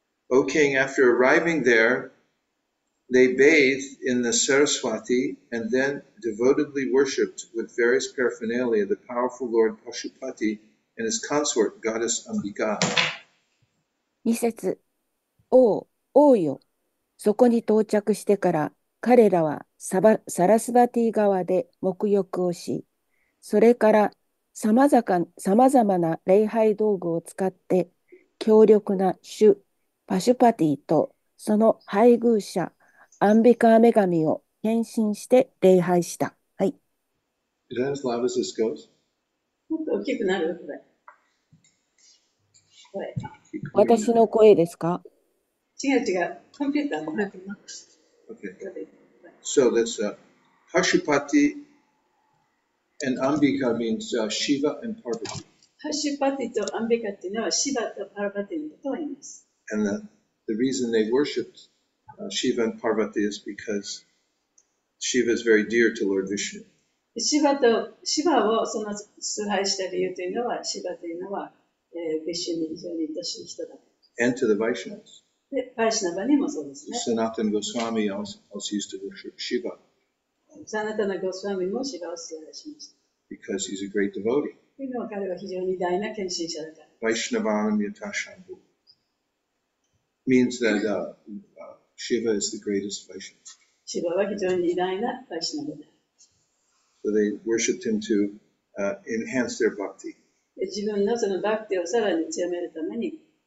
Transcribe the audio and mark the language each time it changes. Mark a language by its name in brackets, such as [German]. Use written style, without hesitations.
[English] O king, after arriving there, they bathed in the Saraswati and then devotedly worshipped with various paraphernalia the powerful Lord Pashupati and his consort, Goddess Ambika. [Japanese] 2節。王、王よ、そこに到着してから彼らはサラスバティ川で沐浴をし、それから様々な礼拝道具を使って強力な主パシュパティとその配偶者アンビカアメガミを献身して礼拝した。はい。 [English] Is that as loud as this goes? [Japanese] もっと大きくなる、これ。これ。私の声ですか？違う違う。コンピューターもなくなる。 [English] Okay. So that's Pashupati and Ambika means Shiva and Parvati. [Japanese] Pashupati to Ambika っていうのは Shiva と Parvati のことを言います。 [English] And the reason they worshipped Shiva and Parvati is because Shiva is very dear to Lord Vishnu. [Japanese] Shiva をその崇拝した理由というのは、Shiva というのは、Vishnu に非常に愛しい人だ。 [English] And to the Vaishnavas. [Japanese] で、バイシナバにもそうですね。 [English] サナタナゴスワミ also used to worship Shiva. [Japanese] サナタナゴスワミもシバを崇拝しました。 [English] Because he's a great devotee. [Japanese] というのは彼は非常に大な献身者だから。 [English] バイシナバーナミヤタシャンブ means that Shiva is the greatest Vaishnava. [Japanese] シバは非常に偉大なバイシナバだ。 [English] So they worshipped him to enhance their bhakti. [Japanese] 自分のそのバクティをさらに強めるために、